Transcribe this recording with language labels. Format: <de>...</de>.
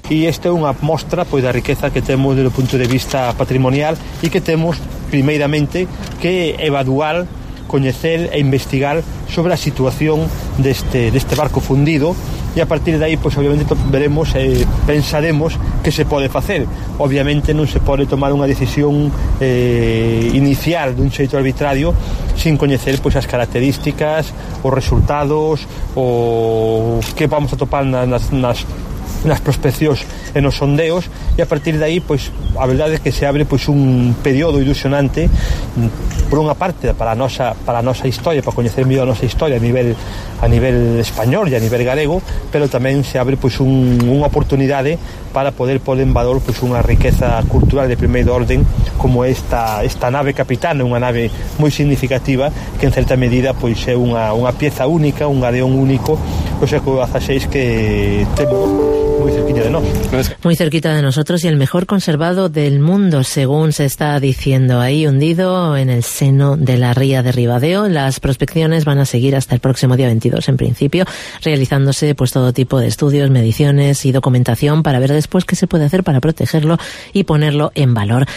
<es>Y esta es una muestra, pues, de la riqueza que tenemos desde el punto de vista patrimonial y que tenemos, primeramente, que evaluar, conocer e investigar sobre la situación de este barco fundido. Y a partir de ahí, pues obviamente veremos, pensaremos qué se puede hacer. Obviamente no se puede tomar una decisión inicial de un xeito arbitrario sin conocer, pues, las características, los resultados, o qué vamos a topar</es> <gl>nas prospeccións e nos sondeos, e a partir de aí, pois, a verdade é que se abre, pois, un período ilusionante, por unha parte, para a nosa historia, para coñecer mellor a nosa historia a nivel español e a nivel galego, pero tamén se abre, pois, unha oportunidade para poder poner en valor, pois, unha riqueza cultural de primeiro orden como esta nave capitana, unha nave moi significativa que en certa medida, pois, é unha pieza única, un galeón único do século XVI que temos</gl> <es>muy cerquita de nosotros y el mejor conservado del mundo, según se está diciendo ahí, hundido en el seno de la ría de Ribadeo. Las prospecciones van a seguir hasta el próximo día 22, en principio, realizándose, pues, todo tipo de estudios, mediciones y documentación para ver después qué se puede hacer para protegerlo y ponerlo en valor.</es>